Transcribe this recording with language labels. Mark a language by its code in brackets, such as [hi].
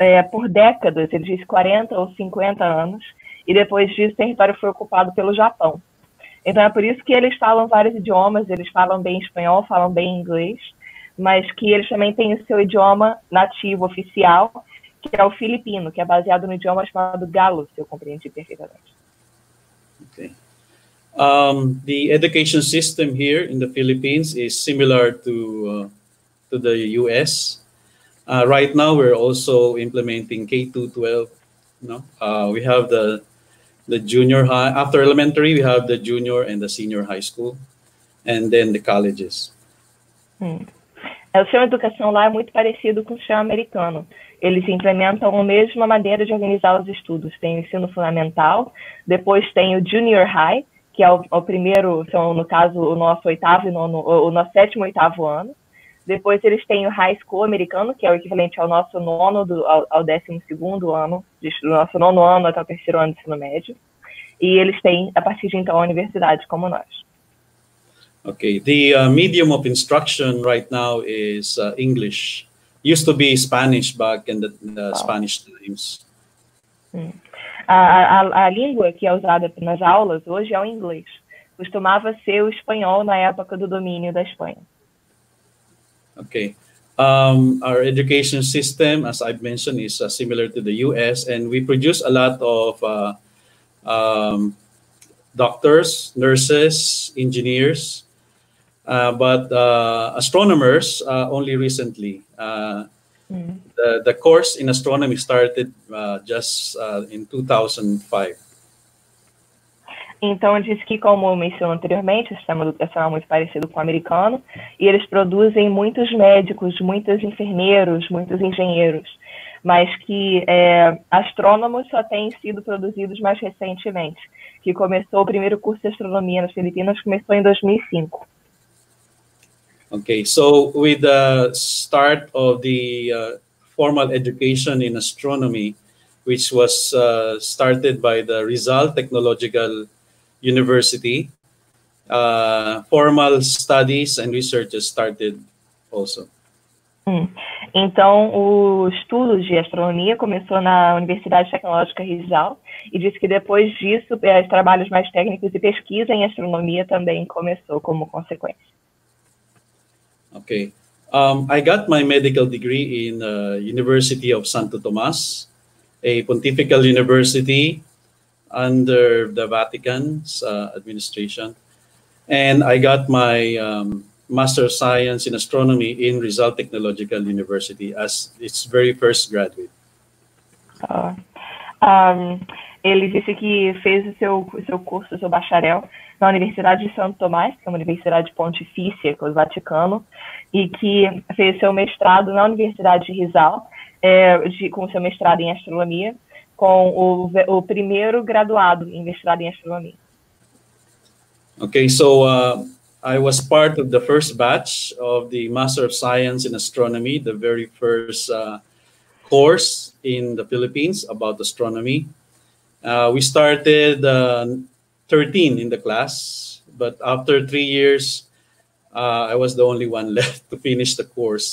[pt] por décadas, ele diz 40 ou 50 anos, e depois disso o território foi ocupado pelo Japão. Então é por isso que eles falam vários idiomas, eles falam bem espanhol, falam bem inglês, mas que eles também têm o seu idioma nativo, oficial, que é o filipino, que é baseado no idioma chamado galo, se eu compreendi perfeitamente. Ok. [en] The education system here in the Philippines is similar to the U.S. Right now, we're also implementing K-12. We have the junior high, after elementary, we have the junior and the senior high school, and then the colleges. [pt] O sistema de educação lá é muito parecido com o sistema americano. Eles implementam a mesma maneira de organizar os estudos. Tem o ensino fundamental, depois tem o junior high, que é o primeiro, são, no caso, o nosso oitavo e nono, o nosso sétimo e oitavo ano. Depois eles têm o high school americano, que é o equivalente ao nosso nono, ao décimo segundo ano, do nosso nono ano até o terceiro ano de ensino médio. E eles têm, a partir de então, a universidade, como nós. [en] Ok, the medium of instruction right now is English. Used to be Spanish back in the Spanish times. [pt] A língua que é usada nas aulas hoje é o inglês. Costumava ser o espanhol na época do domínio da Espanha. Ok. [en] Our education system, as I've mentioned, is similar to the U.S. And we produce a lot of doctors, nurses, engineers. But astronomers only recently. The course in astronomy started just in 2005. [pt] Então, eu disse que, como eu mencionei anteriormente, o sistema educacional é muito parecido com o americano, e eles produzem muitos médicos, muitos enfermeiros, muitos engenheiros, mas que astrônomos só têm sido produzidos mais recentemente, que começou o primeiro curso de astronomia nas Filipinas, começou em 2005. [en] Okay, so with the start of the formal education in astronomy, which was started by the Rizal Technological University, formal studies and research started also. [pt] Então, o estudo de astronomia começou na Universidade Tecnológica Rizal e disse que depois disso, os trabalhos mais técnicos e pesquisa em astronomia também começou como consequência. [en] Okay, I got my medical degree in University of Santo Tomas, a pontifical university under the Vatican's administration, and I got my Master of Science in Astronomy in Rizal Technological University as its very first graduate. [pt] Ele disse que fez o seu curso, seu bacharel, na Universidade de Santo Tomás, que é uma universidade pontifícia, que é o Vaticano, e que fez seu mestrado na Universidade de Rizal, com seu mestrado em astronomia, com o primeiro graduado em mestrado em astronomia. [en] Ok, so I was part of the first batch of the Master of Science in Astronomy, the very first course in the Philippines about astronomy. We started 13 in the class, but after 3 years, I was the only one left to finish the course.